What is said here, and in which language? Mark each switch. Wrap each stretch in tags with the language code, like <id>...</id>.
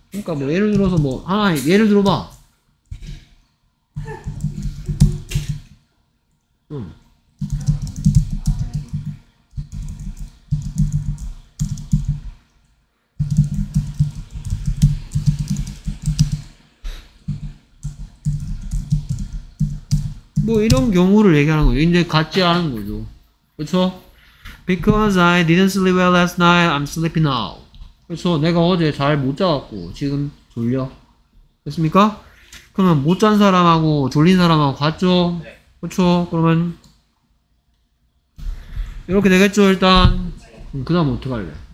<ko>그러니까 뭐 예를 들어서 뭐 하나 예를 들어봐 뭐 이런 경우를 얘기하는 거죠. 이제 같지 않은 거죠. 그렇죠?</ko> <en>Because I didn't sleep well last night, I'm sleepy now.</en> <ko>그렇죠? 내가 어제 잘 못 자갖고 지금 졸려. 됐습니까? 그러면 못 잔 사람하고 졸린 사람하고 같죠? 네. 그렇죠? 그러면 이렇게 되겠죠 일단. 그 다음 어떡할래?</ko>